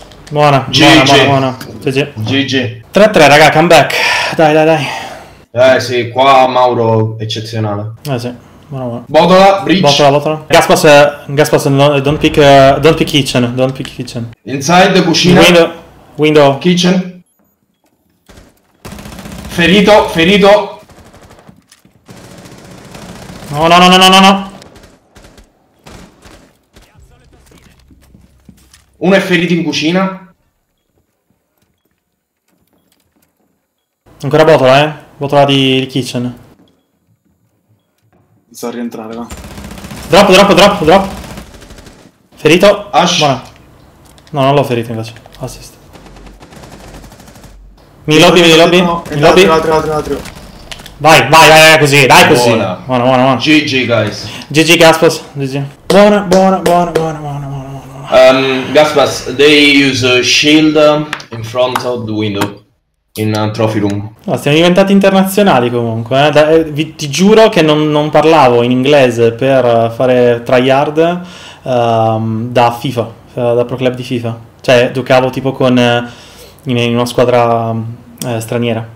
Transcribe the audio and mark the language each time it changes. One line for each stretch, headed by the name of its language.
Italian: Buona, GG. 3-3, raga, comeback. Dai. Eh sì, qua Mauro eccezionale. Eh sì, buona. Botola, bridge. Botola.
English: Gaspas, don't pick kitchen.
Italian: Inside, cucina.
English: Window. Kitchen.
Italian: Ferito. No. Uno è ferito in cucina. Ancora botola, eh? Botola di kitchen. Inizio a rientrare, va. Drop. Ferito. Ash. Buona. No, non l'ho ferito invece.
English: Assist.
Italian: Mi lobby. Altro. Vai, così. Buona. GG, Gaspas. Buona.
English: Gaspas, they use a shield in front of the window. In trophy room.
Italian: No, siamo diventati internazionali comunque, eh. Ti giuro che non parlavo in inglese per fare tryhard da FIFA, da pro club di FIFA. Cioè, giocavo tipo con in una squadra straniera.